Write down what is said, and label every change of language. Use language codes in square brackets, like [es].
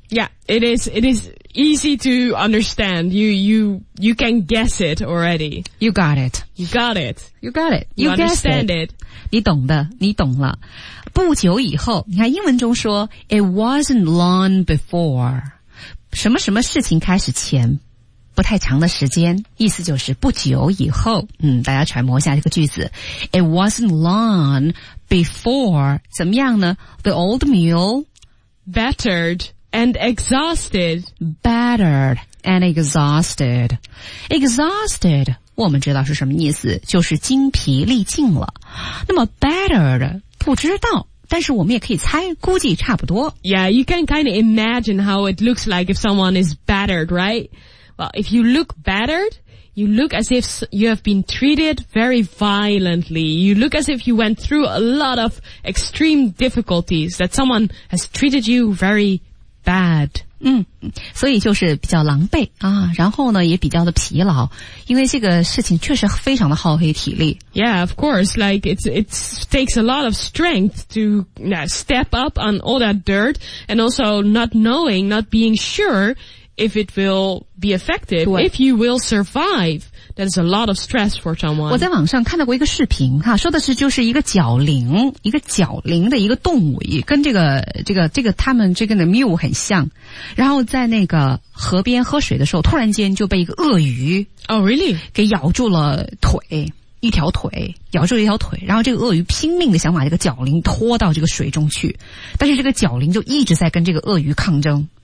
[en] Yeah, it is easy to understand. You can guess it already. You got it. You got it. You got it. You understand it. [zh] 你懂的，你懂了。不久以后，你看英文中说 [en] it wasn't long before [zh] 什么什么事情开始前不太长的时间，意思就是不久以后。嗯，大家揣摩一下这个句子， [en] it wasn't long before [zh] 怎么样呢？ [en] The old mule battered and exhausted. Battered and exhausted. [zh] Exhausted我们知道是什么意思，就是精疲力尽了。那么 battered 不知道，但是我们也可以猜，估计差不多。 [en] Yeah, you can kind of imagine how it looks like if someone is battered, right? Well, if you look battered, you look as if you have been treated very violently. You look as if you went through a lot of extreme difficulties, that someone has treated you very bad. [zh] 嗯，所以就是比较狼狈啊，然后呢也比较的疲劳，因为这个事情确实非常的耗费体力。 [en] Yeah, of course, like it takes a lot of strength to step up on all that dirt and also not knowing, not being sure if it will be effective, if you will survive. That is a lot of stress for someone. [zh] 我在网上看到过一个视频哈，说的是就是一个角羚，一个角羚的一个动物，跟这个他们这个的 mule 很像，然后在那个河边喝水的时候，突然间就被一个鳄鱼 [en] Oh, really? [zh] 给咬住了腿，一条腿咬住了一条腿，然后这个鳄鱼拼命的想把这个角羚拖到这个水中去，但是这个角羚就一直在跟这个鳄鱼抗争